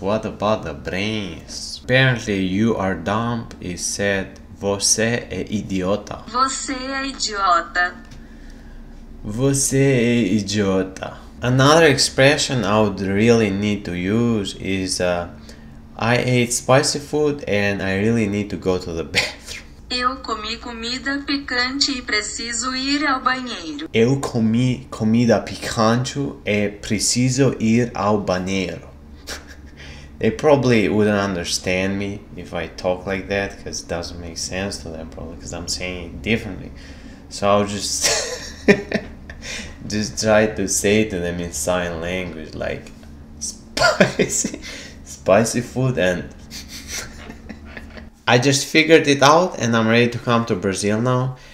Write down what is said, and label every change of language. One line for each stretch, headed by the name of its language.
English: What about the brains? Apparently, you are dumb is said,
Portuguese: você é idiota. Você é idiota. Você é idiota.
English: Another expression I would really need to use is I ate spicy food and I really need to go to the bathroom.
Portuguese: Eu comi comida picante e preciso ir ao banheiro. Eu comi comida picante e preciso ir ao banheiro.
English: They probably wouldn't understand me if I talk like that because it doesn't make sense to them probably because I'm saying it differently. So I'll just... just try to say to them in sign language, like spicy food, and I just figured it out and I'm ready to come to Brazil now.